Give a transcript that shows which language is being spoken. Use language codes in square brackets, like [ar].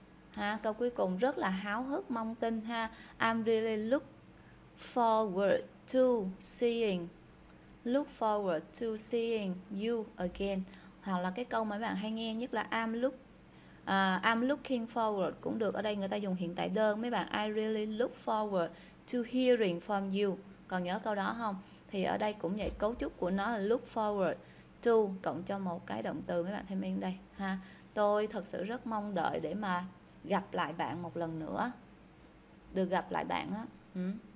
[vi] Ha, câu cuối cùng rất là háo hức mong tin ha. [en] I'm really look forward to seeing. Look forward to seeing you again. [vi] Hoặc là cái câu mà bạn hay nghe nhất là [en] I'm looking forward [vi] cũng được. Ở đây người ta dùng hiện tại đơn mấy bạn. [en] I really look forward to hearing from you. [vi] Còn nhớ câu đó không? Thì ở đây cũng vậy, cấu trúc của nó là look forward to cộng cho một cái động từ mấy bạn thêm in đây ha. Tôi thật sự rất mong đợi để mà gặp lại bạn một lần nữa. Được gặp lại bạn á. Ừ.